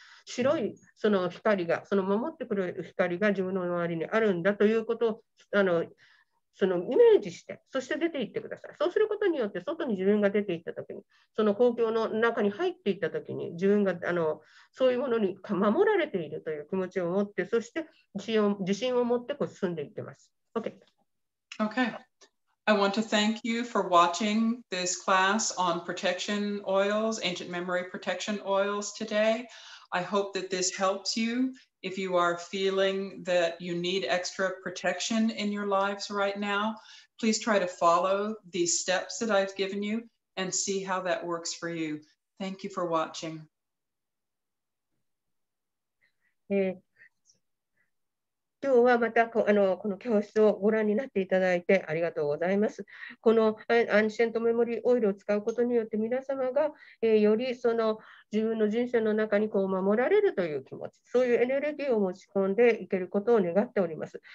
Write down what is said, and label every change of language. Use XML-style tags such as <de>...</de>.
<ja>白いその光が、その守ってくれる光が自分の周りにあるんだということをそのイメージして、そして出ていってください。そうすることによって、外に自分が出ていったときに、その公共の中に入っていったときに、自分がそういうものに守られているという気持ちを持って、そして自信を持ってこう進んでいってます。</ja> <en>Okay. Okay. I want to thank you for watching this class on protection oils, ancient memory protection oils today. I hope that this helps you if you are feeling that you need extra protection in your lives right now. Please try to follow these steps that I've given you and see how that works for you. Thank you for watching.</en> <ja>今日はまたこの教室をご覧になっていただいてありがとうございます。このアンシェントメモリーオイルを使うことによって皆様が、よりその自分の人生の中にこう守られるという気持ち、そういうエネルギーを持ち込んでいけることを願っております。</ja>